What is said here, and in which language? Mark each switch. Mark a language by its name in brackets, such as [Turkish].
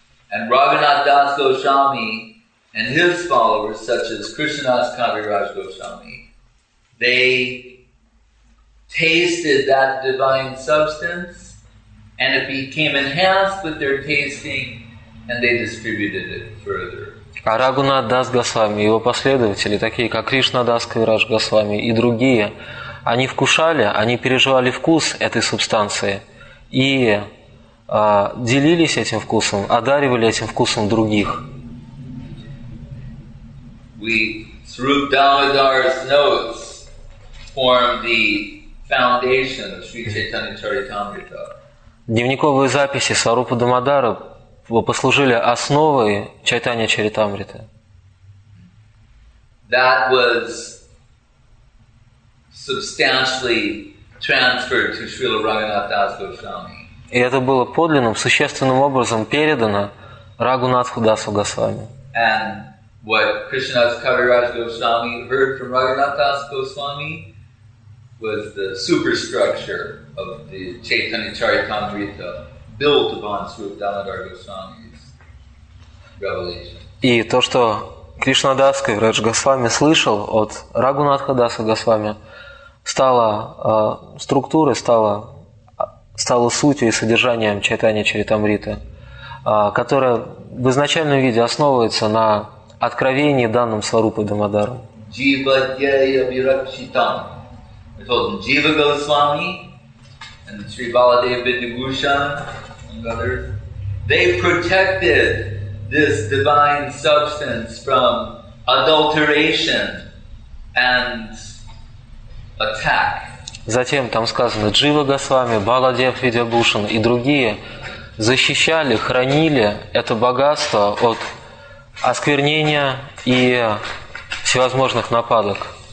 [English] And Raghunath Das Goswami and his followers, such as Krishnadas Kaviraj Goswami, they tasted that divine substance, and it became enhanced with their tasting, and they distributed it further. [Russian] А Рагунат Дас Госвами, его последователи, такие как Кришна Дас Кавирадж Госвами и другие, они вкушали, они переживали вкус этой субстанции и делились этим вкусом, одаривали этим вкусом других. [English] We, through Damodara's notes, form the foundation of Sri Chaitanya Charitamrita. [Russian] Дневниковые записи Сварупы Дамодары послужили основой Чайтанья Чаритамриты. [English] That was substantially transferred to Srila Raghunath Das Goswami. [Russian] И это было подлинным, существенным образом передано Рагунатху Дасу Госвами. [English] And what Krishnadas Kaviraj Goswami heard from Raghunath Das Goswami was the superstructure of the Chaitanya Charitamrita built upon Srila Damodar Goswami's revelation. [Russian] И то, что Кришнадас Кавирадж Госвами слышал от Рагунатха Даса Госвами, стало структурой, стало сутью и содержанием Чайтанья Чаритамриты, которая в изначальном виде основывается на откровении, данном Сварупой Дамодаром. [Sanskrit] Джива Дьея Виракшитам. [English] I told him, Jiva Goswami and Sri Baladeva Vidyabhushan and others, they protected this divine substance from adulteration and attack. [Russian] Затем там сказано, Джива Госвами, Баладев Видябушин и другие защищали, хранили это богатство от осквернения и всевозможных нападок.